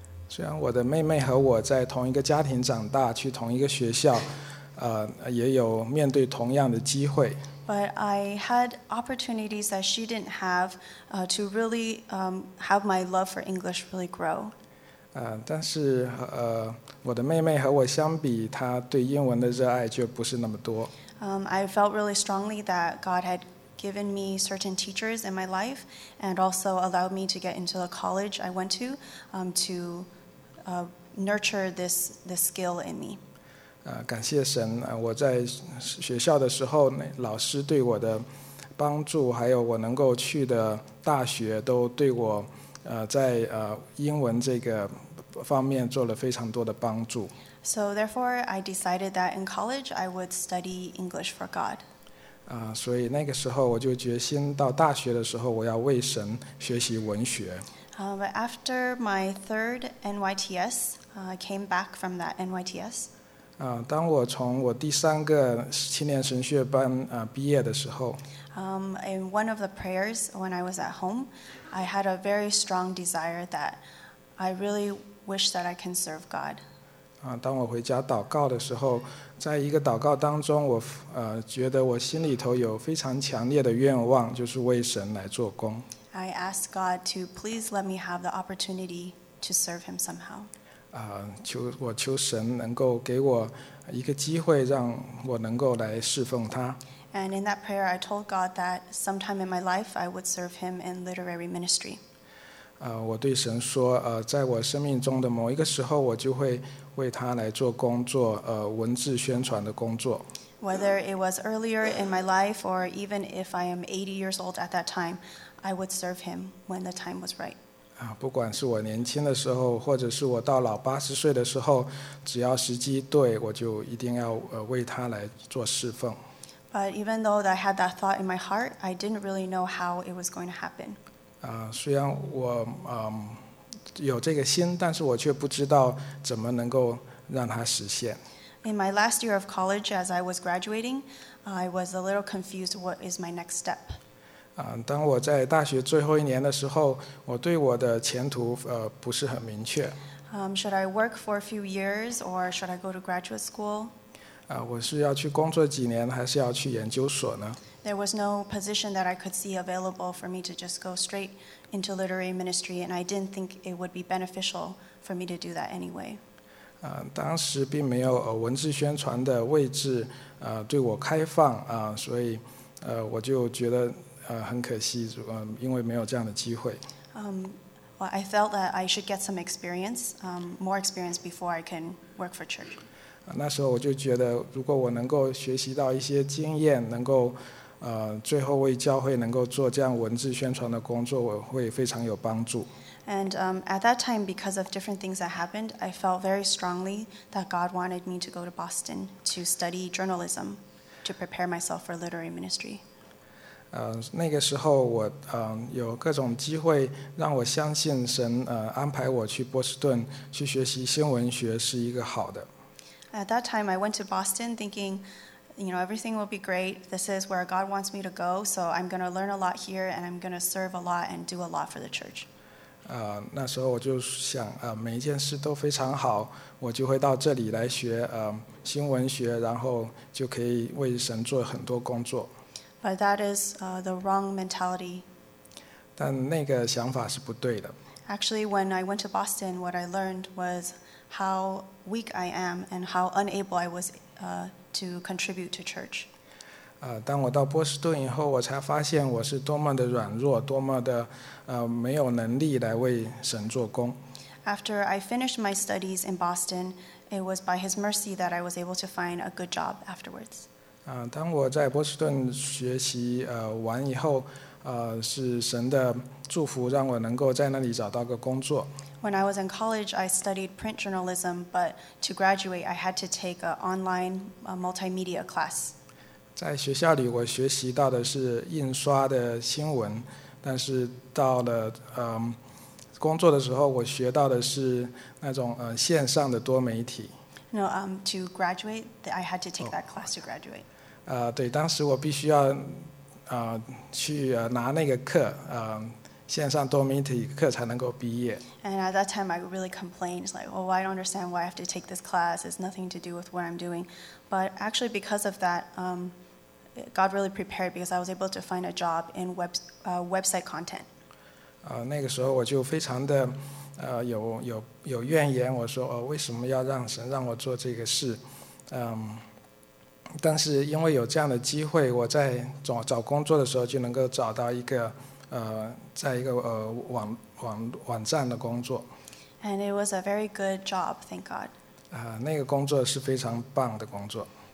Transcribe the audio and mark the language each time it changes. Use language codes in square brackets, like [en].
[zh] 虽然我的妹妹和我在同一个家庭长大，去同一个学校，也有面对同样的机会。 [en] But I had opportunities that she didn't have, to really, have my love for English really grow. [zh] 但是我的妹妹和我相比，她对英文的热爱就不是那么多。 [en] I felt really strongly that God had given me certain teachers in my life, and also allowed me to get into the college I went to, to nurture this skill in me. [zh] 感谢神，我在学校的时候，老师对我的帮助，还有我能够去的大学，都对我。在英文这个方面做了非常多的帮助。 [en] So therefore, I decided that in college I would study English for God. [zh] 所以那个时候我就决心到大学的时候我要为神学习文学。 [en] But after my third NYTS, I came back from that NYTS. [zh] 当我从我第三个青年神学班毕业的时候。 [en] In one of the prayers when I was at home. I had a very strong desire that I really wish that I can serve God. [zh] 当我回家祷告的时候，在一个祷告当中，我觉得我心里头有非常强烈的愿望，就是为神来做工。 [en] I asked God to please let me have the opportunity to serve Him somehow. [zh] 我求神能够给我一个机会，让我能够来侍奉他。 [en] And in that prayer, I told God that sometime in my life, I would serve Him in literary ministry. [zh] 我对神说，在我生命中的某一个时候，我就会为他来做工作，文字宣传的工作。 [en] Whether it was earlier in my life, or even if I am 80 years old at that time, I would serve Him when the time was right. [zh] 不管是我年轻的时候，或者是我到老80岁的时候，只要时机对，我就一定要为他来做侍奉。 [en] But even though that I had that thought in my heart, I didn't really know how it was going to happen. [zh] 虽然我有这个心，但是我却不知道怎么能够让它实现。 [en] In my last year of college, as I was graduating, I was a little confused, what is my next step? [zh] 当我在大学最后一年的时候，我对我的前途不是很明确。 [en] Should I work for a few years or should I go to graduate school? [zh] 我是要去工作几年还是要去研究所呢？ [en] There was no position that I could see available for me to just go straight into literary ministry, and I didn't think it would be beneficial for me to do that anyway. [zh] 当时并没有文字宣传的位置对我开放所以我就觉得很可惜因为没有这样的机会。 [en] Well, I felt that I should get some experience, more experience before I can work for church. [zh] 那时候我就觉得如果我能够学习到一些经验，能够最后为教会能够做这样文字宣传的工作，我会非常有帮助。 [en] And at that time, because of different things that happened, I felt very strongly that God wanted me to go to Boston to study journalism to prepare myself for literary ministry. [zh] 那个时候我有各种机会让我相信神安排我去波士顿去学习新闻学是一个好的。 [en] At that time, I went to Boston thinking, you know, everything will be great. This is where God wants me to go, so I'm going to learn a lot here and I'm going to serve a lot and do a lot for the church. [zh] 那时候我就想每一件事都非常好，我就会到这里来学新闻学，然后就可以为神做很多工作。 [en] But that is the wrong mentality. [zh] 但那个想法是不对的。 [en] Actually, when I went to Boston, what I learned was how weak I am and how unable I was to contribute to church. [zh] 当我到波士顿以后，我才发现我是多么的软弱，多么的没有能力来为神做工。 [en] After I finished my studies in Boston, it was by His mercy that I was able to find a good job afterwards. [zh] 当我在波士顿学习完以后，是神的祝福让我能够在那里找到个工作。 [en] When I was in college, I studied print journalism, but to graduate, I had to take an online multimedia class. [zh] 在学校里，我学习到的是印刷的新闻，但是到了工作的时候，我学到的是那种线上的多媒体。 [en] No, to graduate, I had to take that class to graduate. [zh] 对，当时我必须要去拿那个课线上多媒体课才能够毕业。 [en] And at that time, I really complained, like, oh, I don't understand why I have to take this class. It's nothing to do with what I'm doing. But actually, because of that, God really prepared because I was able to find a job in website content. [zh] 那个时候我就非常的有怨言，我说为什么要让神让我做这个事？但是因为有这样的机会，我在找工作的时候就能够找到一个在一个网站的工作。 [en] And it was a very good job, thank God. [zh] 那个工作是非常棒的工作。